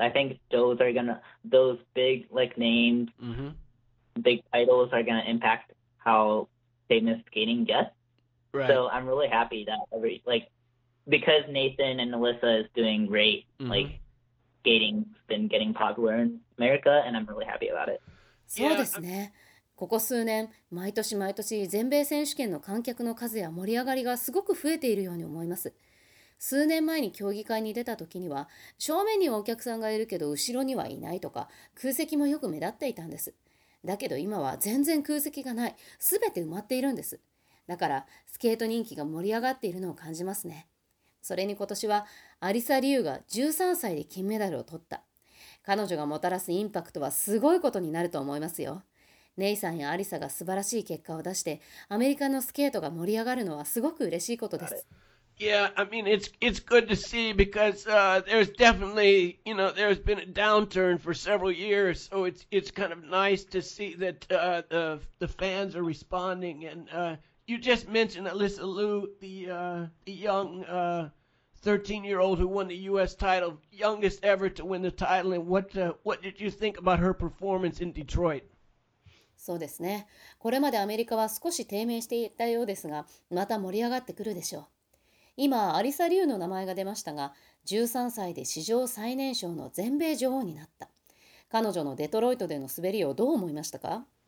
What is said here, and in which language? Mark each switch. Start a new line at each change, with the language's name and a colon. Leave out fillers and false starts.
English: I think those big like named big titles are going to impact how famous skating gets. Right. So I'm really happy that because Nathan and Alyssa is doing great, like skating's been getting popular in America and I'm really happy about it.
Japanese: そうですね。ここ数年、毎年毎年全米選手権の観客の数や盛り上がりがすごく増えているように思います。数年前に競技会に出た時には、正面にはお客さんがいるけど後ろにはいないとか、空席もよく目立っていたんです。だけど今は全然空席がない、すべて埋まっているんです。だからスケート人気が盛り上がっているのを感じますね。それに今年はアリサ・リュウが13歳で金メダルを取った。彼女がもたらすインパクトはすごいことになると思いますよ。ネイさんやアリサが素晴らしい結果を出して、アメリカのスケートが盛り上がるのはすごく嬉しいことです。
English: Yeah, I mean, it's good to see because there's definitely, you know, there's been a downturn for several years, so it's kind of nice to see that the fans are responding. And you just mentioned Alyssa Liu, the young 13-year-old who won the U.S. title, youngest ever to win the title. And what did you think about her performance in Detroit?
Japanese: そうですね。これまでアメリカは少し低迷していたようですが、また盛り上がってくるでしょう。今、アリサ・リュウの名前が出ましたが、13歳で史上最年少の全米女王になった。彼女のデトロイトでの滑りをどう思いましたか？